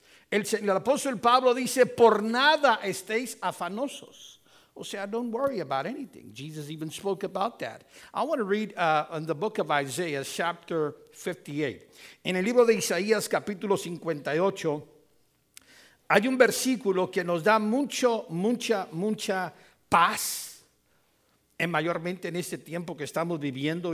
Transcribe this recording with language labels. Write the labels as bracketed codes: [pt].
[es] El apóstol Pablo dice, por nada estéis afanosos. [en] O sea, don't worry about anything. Jesus even spoke about that. I want to read in the book of Isaiah, chapter 58. [es] En el libro de Isaías, capítulo 58, hay un versículo que nos da mucha paz, en mayormente en este tiempo que estamos viviendo.